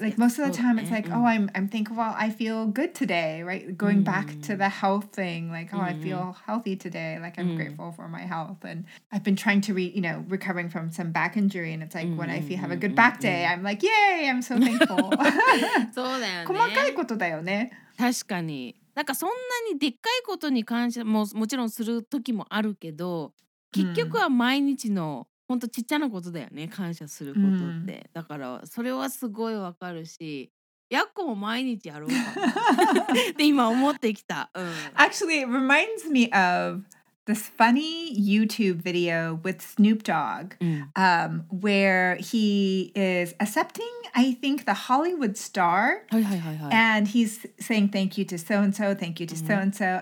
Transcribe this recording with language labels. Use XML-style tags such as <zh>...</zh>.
<en>Like most of the time it's like, oh, I'm thankful, well, I feel good today, right? Going back to the health thing, like, oh, I feel healthy today. Like I'm grateful for my health. And I've been trying to recovering from some back injury, and it's like when I have a good back day, I'm like, yay, I'm so thankful.</en> <ja>そうだよね。細かいことだよね。確かに。なんかそんなにでっかいことに感謝ももちろんする時もあるけど、結局は毎日の本当ちっちゃなことだよね、感謝することって。だからそれはすごいわかるし、やっこも毎日やろうかって今思ってきた。</ja> <en>Actually, it reminds me of this funny YouTube video with Snoop Dogg, where he is accepting, I think, the Hollywood star. And he's saying thank you to so-and-so, thank you to so-and-so.</en>